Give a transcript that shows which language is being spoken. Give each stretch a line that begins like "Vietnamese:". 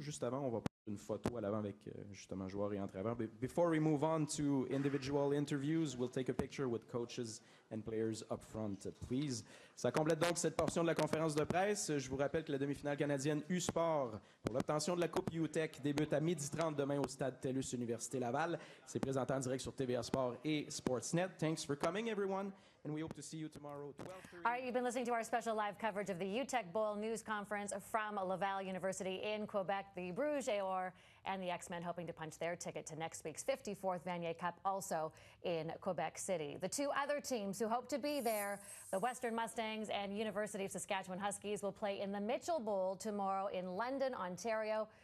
French: Juste avant, on va prendre une photo à l'avant avec justement joueurs et entraîneurs.
English: But before we move on to individual interviews, we'll take a picture with coaches and players up front, please.
French: Ça complète donc cette portion de la conférence de presse. Je vous rappelle que la demi-finale canadienne U-Sport pour l'obtention de la Coupe Uteck débute à 12h30 demain au stade TELUS Université Laval. C'est présenté en direct sur TVA Sport et Sportsnet.
English: Thanks for coming, everyone. And we hope to see you tomorrow at 12:30. All right, you've been listening to our special live coverage of the Uteck Bowl News Conference from Laval University in Quebec. The Bruges Or and the X-Men hoping to punch their ticket to next week's 54th Vanier Cup, also in Quebec City. The two other teams who hope to be there, the Western Mustangs and University of Saskatchewan Huskies, will play in the Mitchell Bowl tomorrow in London, Ontario.